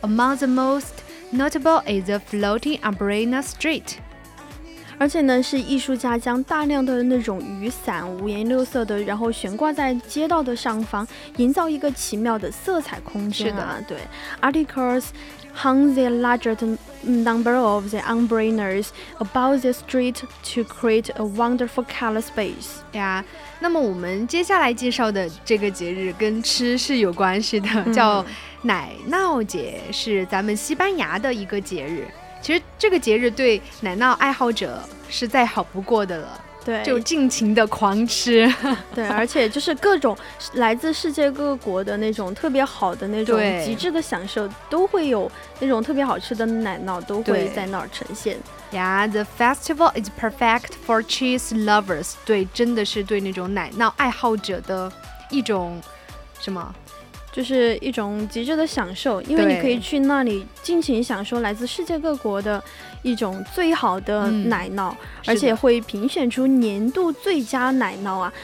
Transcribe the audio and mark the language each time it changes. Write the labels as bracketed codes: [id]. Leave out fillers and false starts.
[en] Among the most notable is the floating umbrella street. [zh] 而且呢，是艺术家将大量的那种雨伞五颜六色的，然后悬挂在街道的上方，营造一个奇妙的色彩空间、啊。是的，对。 [en] Articles hung the largest number of the umbrellas above the street to create a wonderful color space. Yeah. [zh] 那么我们接下来介绍的这个节日跟吃是有关系的，叫奶酪节，是咱们西班牙的一个节日。其实这个节日对奶酪爱好者是再好不过的了，对，就尽情的狂吃。对，而且就是各种来自世界各国的那种特别好的那种极致的享受，都会有那种特别好吃的奶酪都会在那儿呈现。 [en] Yeah, the festival is perfect for cheese lovers. [zh] 对，真的是对那种奶酪爱好者的一种什么，就是一种极致的享受，因为你可以去那里尽情享受来自世界各国的一种最好的奶酪、嗯、而且会评选出年度最佳奶酪啊。